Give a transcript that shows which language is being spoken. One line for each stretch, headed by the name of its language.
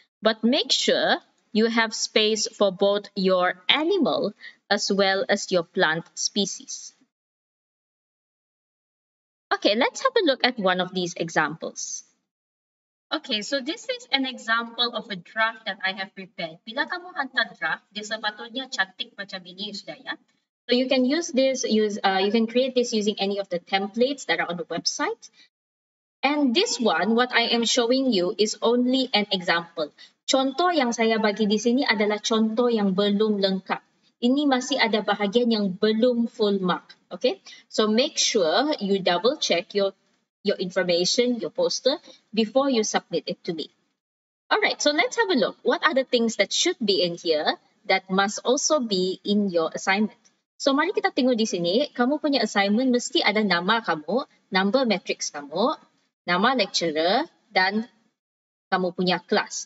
English: But make sure you have space for both your animal as well as your plant species. Okay, let's have a look at one of these examples. Okay, so this is an example of a draft that I have prepared.
Malay: Bila kamu hantar draft, dia sepatutnya cantik macam ini sudah ya.
English: So you can use this, you can create this using any of the templates that are on the website. And this one, what I am showing you is only an example.
Malay: Contoh yang saya bagi di sini adalah contoh yang belum lengkap. Ini masih ada bahagian yang belum full mark, okay?
English: So make sure you double check your information, your poster, before you submit it to me. Alright, so let's have a look. What are the things that should be in here that must also be in your assignment?
Malay: So mari kita tengok di sini, kamu punya assignment mesti ada nama kamu, number matrix kamu, nama lecturer, dan kamu punya class.